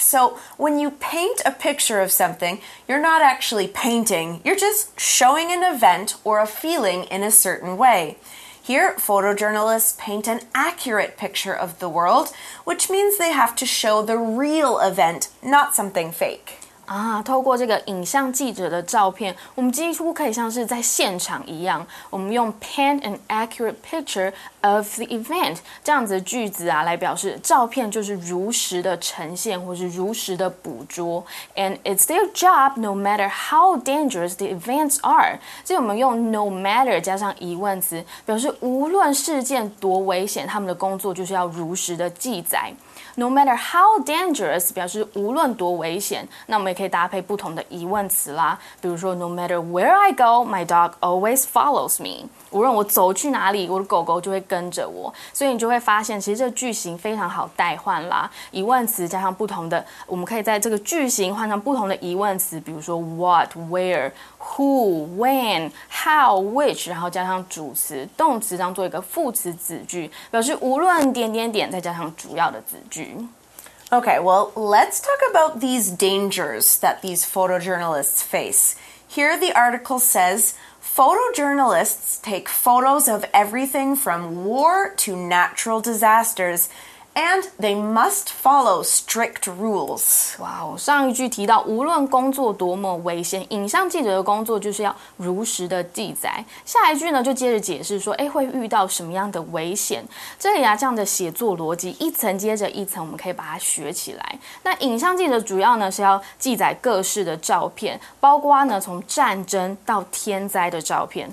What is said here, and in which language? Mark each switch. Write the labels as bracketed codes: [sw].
[en] So, when you paint a picture of something, you're not actually painting. You're just showing an event or a feeling in a certain way. Here, photojournalists paint an accurate picture of the world, which means they have to show the real event, not something fake. [zh] 啊，透过这个影像记者的照片，我们几乎可以像是在现场一样。我们用 [en] paint an accurate picture of the event [zh] 这样子的句子啊，来表示照片就是如实的呈现，或是如实的捕捉。 [en] And it's their job, no matter how dangerous the events are. [zh] 这里我们用 no matter 加上疑问词，表示无论事件多危险，他们的工作就是要如实的记载。 [en] No matter how dangerous [zh] 表示无论多危险，那我们也可以搭配不同的疑问词啦。比如说 ， [en] No matter where I go, my dog always follows me. [zh] 无论我走去哪里，我的狗狗就会跟着我。所以你就会发现，其实这句型非常好代换啦。疑问词加上不同的，我们可以在这个句型换成不同的疑问词，比如说 what, where, who, when, how, which， 然后加上主词、动词，当做一个副词子句，表示无论点点点，再加上主要的子句。 [en] Okay, well, let's talk about these dangers that these photojournalists face. Here the article says, photojournalists take photos of everything from war to natural disasters, and they must follow strict rules. [zh] Wow, 上一句提到无论工作多么危险，影像记者的工作就是要如实的记载。下一句呢，就接着解释说，哎，会遇到什么样的危险？这里啊，这样的写作逻辑一层接着一层，我们可以把它学起来。那影像记者主要呢是要记载各式的照片，包括呢从战争到天灾的照片。